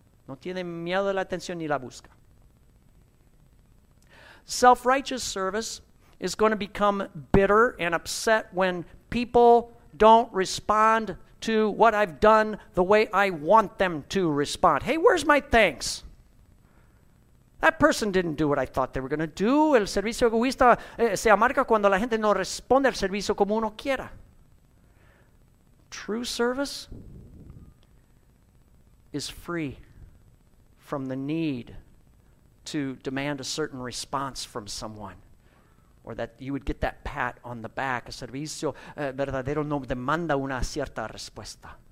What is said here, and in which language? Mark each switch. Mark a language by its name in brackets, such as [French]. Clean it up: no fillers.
[Spanish] No tiene miedo de la atención ni la busca. [English] Self-righteous service is going to become bitter and upset when people don't respond to what I've done the way I want them to respond. Hey, where's my thanks? That person didn't do what I thought they were going to do. [Spanish] El servicio egoísta se amarga cuando la gente no responde al servicio como uno quiera. [English] True service is free from the need to demand a certain response from someone, or that you would get that pat on the back. [Spanish] A servicio verdadero no demanda una cierta respuesta.